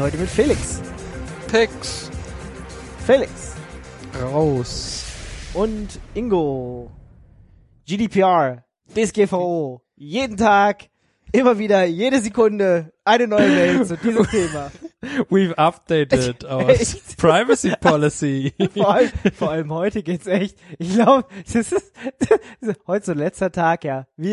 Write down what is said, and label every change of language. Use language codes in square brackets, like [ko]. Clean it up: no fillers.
[de] Heute mit Felix. Pex. Felix. Raus. Und Ingo. GDPR. DSGVO. Jeden Tag. Immer wieder, jede Sekunde, eine neue Mail zu diesem Thema. [en] We've updated our privacy policy. [de] Vor allem heute geht's echt, ich glaube, das ist heute so letzter Tag, ja.